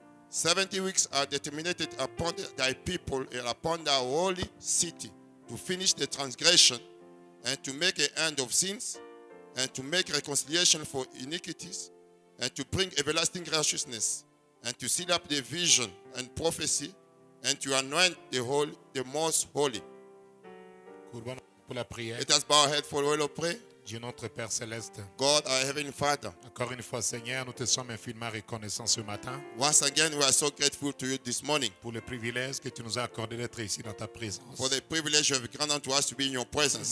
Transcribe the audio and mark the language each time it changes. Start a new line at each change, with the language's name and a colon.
English: 70 weeks are determined upon thy people and upon thy holy city to finish the transgression and to make an end of sins and to make reconciliation for iniquities and to bring everlasting righteousness and to seal up the vision and prophecy and to anoint the most holy. Let us bow our head for a while of prayer.
French: Dieu notre Père céleste.
English: God our heavenly Father.
French: Encore une fois Seigneur, nous te sommes infiniment reconnaissants ce matin.
English: Once again we are so grateful to you this morning.
French: Pour le privilège que tu nous as accordé d'être ici dans ta présence.
English: For the privilege you have granted to us to be in your presence.